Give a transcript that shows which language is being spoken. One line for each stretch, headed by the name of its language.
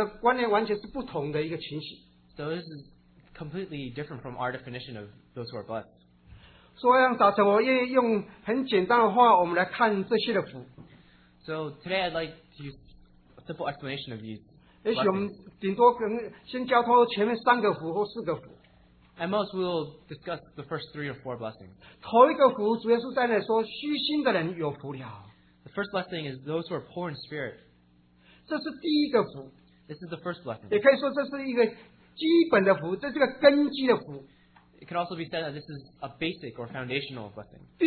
Chinese: 所以这是和人的关，对有福的观念完全是不同的一个情形。
English: So this is completely different from our definition of those who are blessed.
Chinese: 所以早晨我也用很简单的话，我们来看这些的福。
English: So today I'd like to use a simple explanation of these.
Chinese: 也许我们顶多可能先交托前面三个福或四个福。
English: At most we'll discuss the first three or four blessings.
Chinese: 头一个福主耶稣在那说虚心的人有福了。
English: The first blessing is those who are poor in spirit.
Chinese: 这是第一个福。
English: This is the first blessing.
Chinese: 也可以说这是一个基本的福，这是个根基的福。
English: It could also be said that this is a basic or foundational blessing.